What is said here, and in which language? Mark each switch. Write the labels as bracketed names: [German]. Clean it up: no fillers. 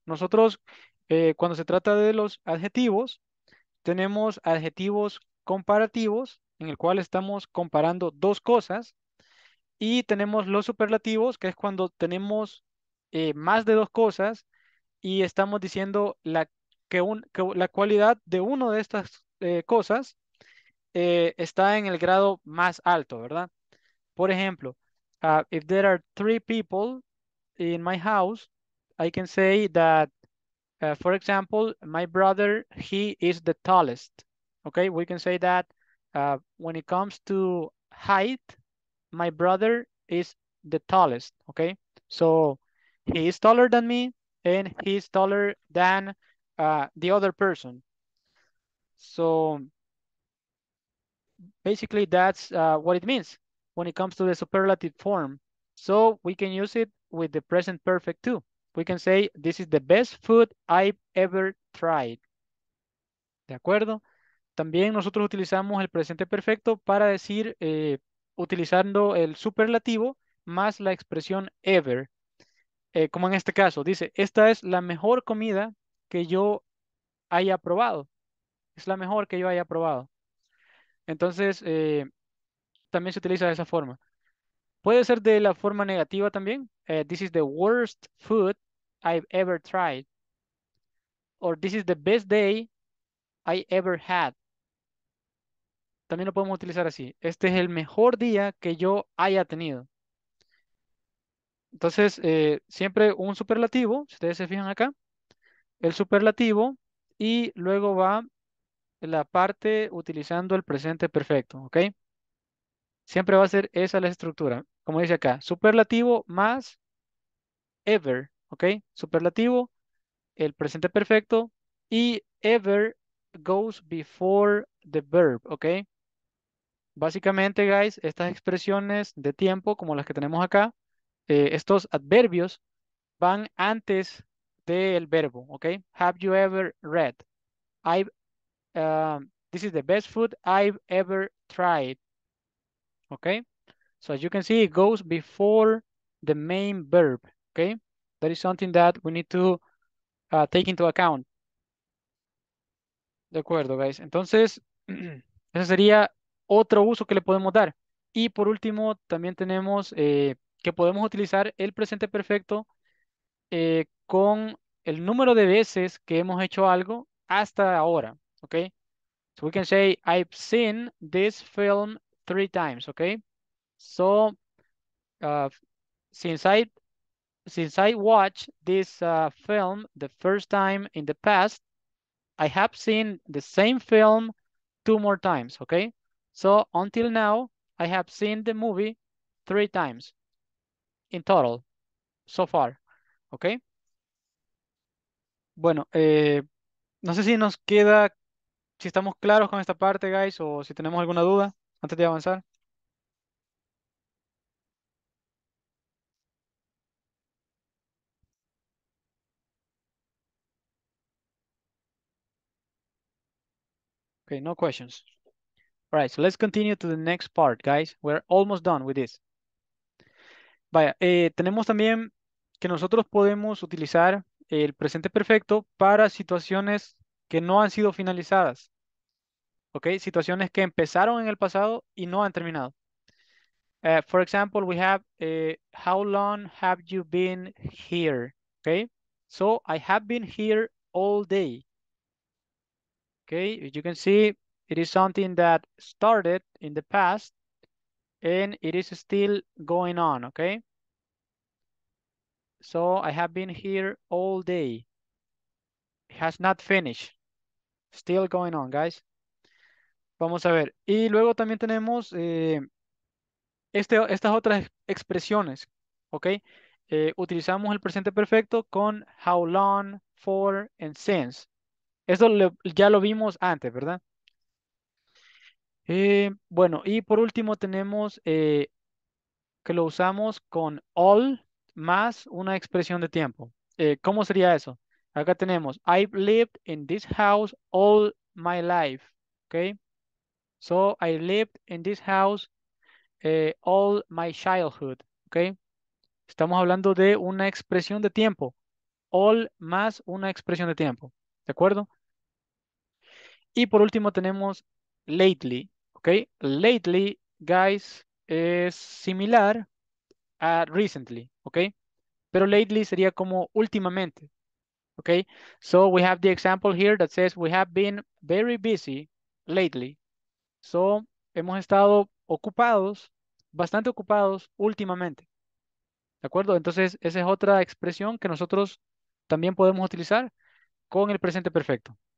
[Spanish] Nosotros, cuando se trata de los adjetivos, tenemos adjetivos comparativos, en el cual estamos comparando dos cosas, y tenemos los superlativos, que es cuando tenemos más de dos cosas, y estamos diciendo la cualidad de uno de estas cosas está en el grado más alto, ¿verdad? Por ejemplo, [English] if there are three people in my house, I can say that, for example, my brother, he is the tallest. Okay, we can say that when it comes to height, my brother is the tallest. Okay, so he is taller than me and he is taller than the other person. So, basically, that's what it means when it comes to the superlative form. So, we can use it with the present perfect too. we can say this is the best food I've ever tried. [Spanish] ¿De acuerdo? También nosotros utilizamos el presente perfecto para decir, utilizando el superlativo más la expresión ever. Como en este caso, dice, esta es la mejor comida que yo haya probado. Es la mejor que yo haya probado. Entonces, también se utiliza de esa forma. Puede ser de la forma negativa también. [English] This is the worst food I've ever tried. Or this is the best day I ever had. [Spanish] También lo podemos utilizar así. Este es el mejor día que yo haya tenido. Entonces, siempre un superlativo. Si ustedes se fijan acá. El superlativo. Y luego va la parte utilizando el presente perfecto. ¿Ok? Siempre va a ser esa la estructura. Como dice acá, superlativo más ever, ¿ok? Superlativo, el presente perfecto, y [English] ever goes before the verb, ¿ok? [Spanish] Básicamente, guys, estas expresiones de tiempo, como las que tenemos acá, estos adverbios van antes del verbo, ¿ok? [English] Have you ever read? This is the best food I've ever tried, ¿ok? So as you can see, it goes before the main verb, okay? That is something that we need to take into account. [Spanish] De acuerdo, guys. Entonces, ese sería otro uso que le podemos dar. Y por último, también tenemos que podemos utilizar el presente perfecto con el número de veces que hemos hecho algo hasta ahora, okay? [English] So we can say, I've seen this film 3 times, okay? So, since I watched this film the first time in the past, I have seen the same film 2 more times, okay? So, until now, I have seen the movie 3 times in total, so far, okay? [Spanish] Bueno, no sé si nos queda, si estamos claros con esta parte, guys, o si tenemos alguna duda antes de avanzar. [English] Okay, no questions. All right, so let's continue to the next part, guys. We're almost done with this. [Spanish] Vaya, tenemos también que nosotros podemos utilizar el presente perfecto para situaciones que no han sido finalizadas. Okay, situaciones que empezaron en el pasado y no han terminado. [English] For example, we have, how long have you been here? Okay, so I have been here all day. Okay, you can see it is something that started in the past and it is still going on, okay? So I have been here all day. It has not finished. Still going on, guys. [Spanish] Vamos a ver. Y luego también tenemos estas otras expresiones, okay? Utilizamos el presente perfecto con [English] how long, for, and since. [Spanish] Esto ya lo vimos antes, ¿verdad? Bueno, y por último tenemos que lo usamos con all más una expresión de tiempo. ¿Cómo sería eso? Acá tenemos, [English] I've lived in this house all my life. Okay? So, I lived in this house all my childhood. [Spanish] Okay? Estamos hablando de una expresión de tiempo. All más una expresión de tiempo. ¿De acuerdo? Y por último tenemos lately, ¿ok? Lately, guys, es similar a recently, ¿ok? Pero lately sería como últimamente, ¿ok? [English] So we have the example here that says we have been very busy lately. [Spanish] So hemos estado ocupados, bastante ocupados últimamente, ¿de acuerdo? Entonces esa es otra expresión que nosotros también podemos utilizar con el presente perfecto.